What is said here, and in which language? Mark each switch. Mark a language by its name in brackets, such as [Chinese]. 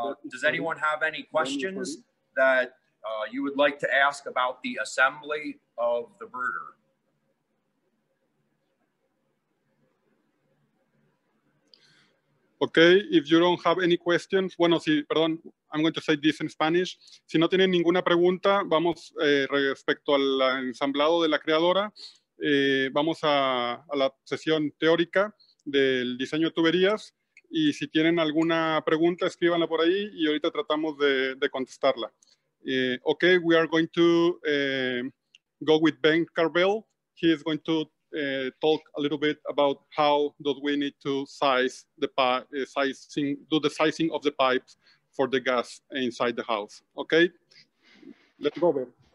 [English] Does anyone have any questions that you would like to ask about the assembly of the Brooder? Okay, if you don't have any questions, [Spanish] bueno, si, perdón, [English] I'm going to say this in Spanish. [Spanish] Si no tienen ninguna pregunta, vamos respecto al ensamblado de la creadora. Vamos a la sesión teórica del diseño de tuberías, y si tienen alguna pregunta, escríbanla por ahí y ahorita tratamos de contestarla. [English] Okay, we are going to go with Ben Carvel. He is going to talk a little bit about how do we need to size the sizing of the pipes for the gas inside the house. Okay, let's go, Ben.